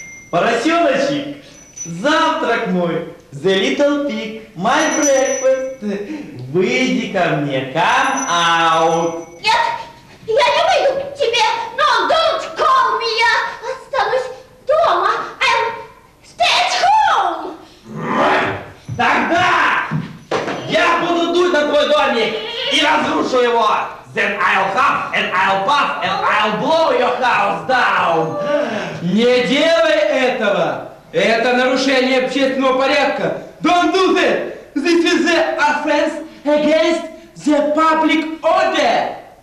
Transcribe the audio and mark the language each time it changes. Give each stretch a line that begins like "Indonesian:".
Russian: Поросеночек, завтрак мой,
English: the little pig, my breakfast,
Russian: выйди ко мне,
English: come out.
Russian: Нет, я не выйду к тебе,
English: no, don't call me,
Russian: я останусь дома,
English: I'll stay at home.
Russian: Тогда я буду дуть на твой домик и разрушу его.
English: Then I'll huff and I'll puff and I'll blow your house down.
Russian: Не делай этого. Это нарушение общественного порядка.
English: Don't do that. This is an offense against the public order.